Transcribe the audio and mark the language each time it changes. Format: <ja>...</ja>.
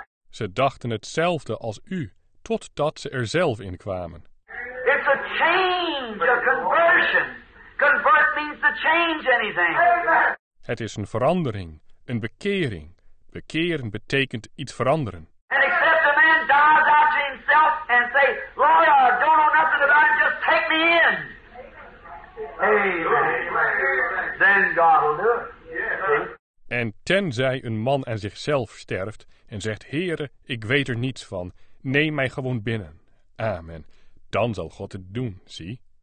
<nl>Ze dachten hetzelfde als u, totdat ze er zelf in kwamen.</nl> <en>It's a change, a conversion. Convert means to change anything.</en> <nl>Het is een verandering, een bekering. Bekeren betekent iets veranderen.</nl> <en>And except a man dies out to himself and say, Lord, I don't know nothing about it, just take me in. Amen. Then God will do it.</en> <nl>En tenzij een man aan zichzelf sterft en zegt, Heere, ik weet er niets van, neem mij gewoon binnen. Amen. Dan zal God het doen, zie.</nl>